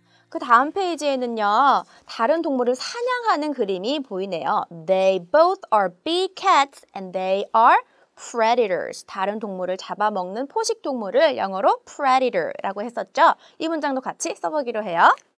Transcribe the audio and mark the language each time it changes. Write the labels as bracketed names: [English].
[Korean] 그 다음 페이지에는요. 다른 동물을 사냥하는 그림이 보이네요. [English] They both are big cats and they are predators. [Korean] 다른 동물을 잡아먹는 포식 동물을 영어로 predator라고 했었죠. 이 문장도 같이 써보기로 해요.